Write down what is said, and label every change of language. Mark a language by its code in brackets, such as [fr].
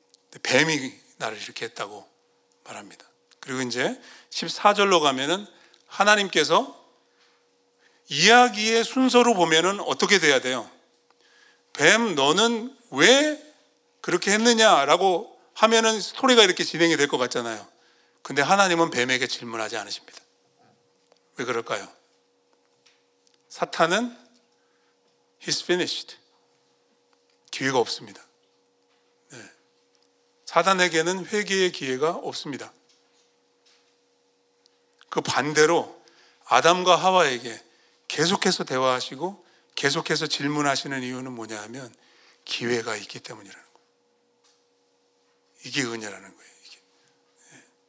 [ko] 근데 뱀이 나를 이렇게 했다고 말합니다. 그리고 이제 14절로 가면은 하나님께서 이야기의 순서로 보면은 어떻게 돼야 돼요? 뱀, 너는 왜 그렇게 했느냐라고 하면은 스토리가 이렇게 진행이 될 것 같잖아요. 근데 하나님은 뱀에게 질문하지 않으십니다. 왜 그럴까요? 사탄은 [en] he's finished. [ko] 기회가 없습니다. 네. 사단에게는 회개의 기회가 없습니다. 그 반대로 아담과 하와에게 계속해서 대화하시고 계속해서 질문하시는 이유는 뭐냐 하면 기회가 있기 때문이라는 거예요. 이게 은혜라는 거예요. 이게. 네.